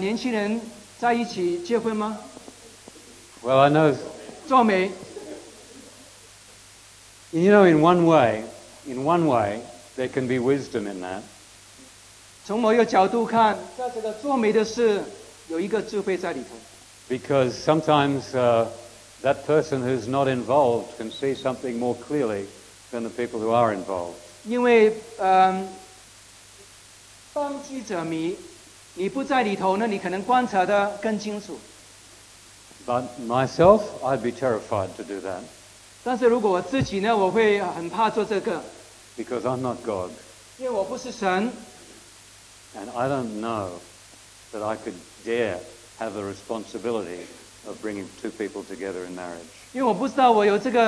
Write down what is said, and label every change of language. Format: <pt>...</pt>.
<zh>我们应该去和年轻人在一起结婚吗？</zh> <en>Well, I know.</en> <zh>做媒。</zh> <en>You know, in one way, there can be wisdom in that.</en> <zh>从某一个角度看，在这个做媒的事，有一个智慧在里头。</zh> <en>Because sometimes that person who's not involved can see something more clearly than the people who are involved.</en> <zh>因为当局者迷，你不在里头呢，你可能观察得更清楚。</zh> <en>But myself, I'd be terrified to do that.</en> <zh>但是如果我自己呢，我会很怕做这个。</zh> <en>Because I'm not God.</en> <zh>因为我不是神。</zh> <en>And I don't know that I could dare have the responsibility of bringing two people together in marriage.</en>